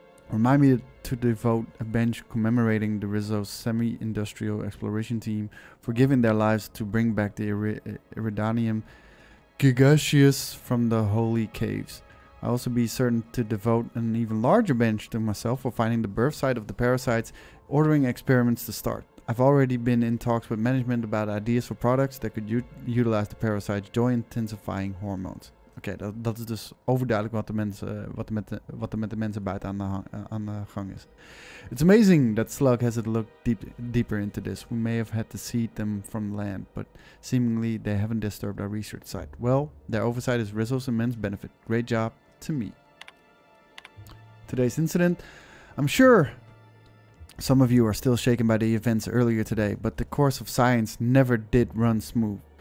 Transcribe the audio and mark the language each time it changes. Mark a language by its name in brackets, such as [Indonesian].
[English] Remind me to devote a bench commemorating the Rizzo's semi-industrial exploration team for giving their lives to bring back the Eridanium Gigasius from the holy caves. I'll also be certain to devote an even larger bench to myself for finding the birth site of the parasites, ordering experiments to start. I've already been in talks with management about ideas for products that could utilize the parasites' joy intensifying hormones. [Dutch] Okay, dat is dus overduidelijk wat de mensen wat er met de mensen buiten aan de gang is. [English] It's amazing that Slug hasn't looked deeper into this. We may have had to seed them from land, but seemingly they haven't disturbed our research site. Well, their oversight is Rizzo's immense benefit. Great job to me. Today's incident. I'm sure some of you are still shaken by the events earlier today, but the course of science never did run smooth.